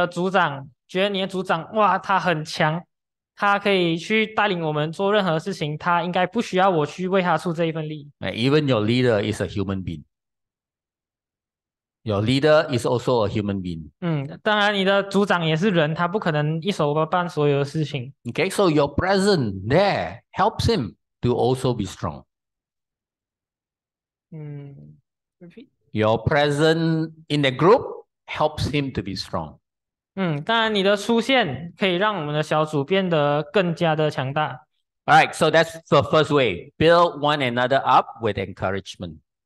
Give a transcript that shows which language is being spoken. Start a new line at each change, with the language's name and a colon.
Chinese: 不要只单单的去敬仰着你的组长，觉得你的组长哇，他很强。他可以去带领我们做任何事情，他应该不需要我去为他出这一份力。
English: Even your leader is a human being. Your leader is also a human being.
Chinese: 当然你的组长也是人，他不可能一手包办所有的事情。
English: Okay, so your presence there helps him to also be strong. Your presence in the group helps him to be strong.
Chinese: 当然你的出现可以让我们的小组变得更加的强大。
English: Alright, so that's the first way. Build one another up with encouragement.